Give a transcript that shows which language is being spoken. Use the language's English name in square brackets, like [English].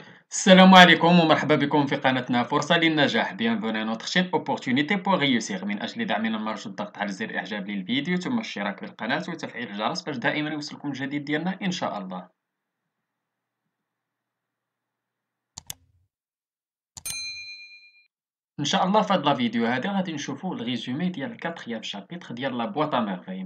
[Arabic] السلام عليكم ومرحبا بكم في قناتنا فرصة للنجاح. [French] Bienvenue à notre chaîne Opportunité pour réussir. [Arabic] من أجل دعمنا نرجو الضغط على زر إعجاب للفيديو ثم الاشتراك في القناة وتفعيل الجرس باش دائما يوصلكم الجديد ديالنا إن شاء الله. إن شاء الله في هذا الفيديو هذا غادي نشوفوا [French] الريزومي [Arabic] ديال [French] الكاتريام شابيتر [Arabic] ديال [French] لا بواط ميرفيل.